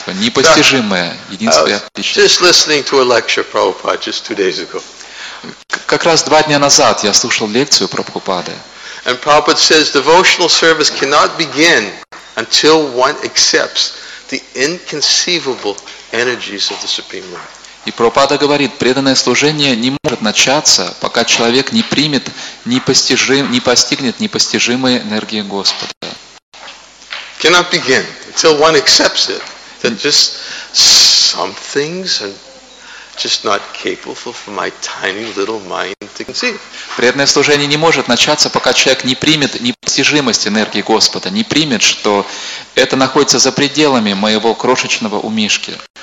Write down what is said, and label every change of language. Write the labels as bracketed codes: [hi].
[ru] Непостижимое единство и отличие. [en] Just listening to a lecture, Prabhupada, just 2 days ago. [ru] Как раз 2 дня назад я слушал лекцию Прабхупады. [en] And Prabhupada says devotional service cannot begin until one accepts the inconceivable energies of the Supreme Lord. [ru] И Прабхупада говорит, преданное служение не может начаться, пока человек не примет, не постигнет непостижимые энергии Господа. [en] Cannot begin until one accepts it. That just some things are just not capable for my tiny little mind to conceive. [ru] Преданное служение не может начаться, пока человек не примет непостижимость энергии Господа, не примет, что это находится за пределами моего крошечного умишки.